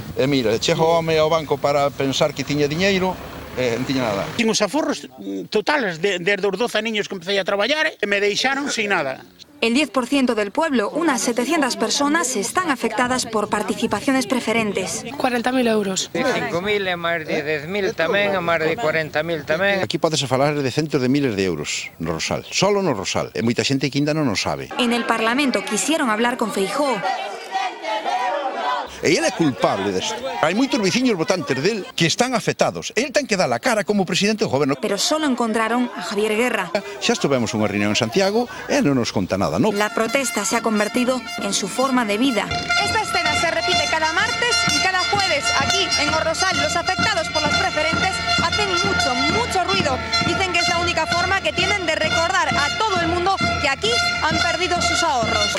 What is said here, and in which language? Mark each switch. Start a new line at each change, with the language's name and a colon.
Galician: Mira, eché home ao banco para pensar que tiña dinheiro. Non tiña nada. Tinha os aforros totales, desde os 12 niños que empecé a traballar, me deixaron sin nada.
Spanish: El 10% del pueblo, unas 700 personas, están afectadas por participaciones preferentes. 40.000 euros.
Galician: 5.000 e máis de 10.000 tamén, a máis de 40.000 tamén. Aquí podes falar de centros de miles de euros no Rosal, solo no Rosal. E moita xente que ainda non o sabe.
Spanish: En el Parlamento quisieron hablar con Feijóo.
Galician: E ele é culpable disto. Hai moitos veciños votantes del que están afectados. Ele ten que dar a cara como presidente do goberno. Pero só encontraron a Javier Guerra. Xa estuvemos unha reunión en Santiago e non nos conta nada, non?
Spanish: La protesta se ha convertido en su forma de vida. Esta escena se repite cada martes e cada jueves aquí en O Rosal. Los afectados por las preferentes hacen mucho, mucho ruido. Dicen que es la única forma que tienen de recordar a todo el mundo que aquí han perdido sus ahorros.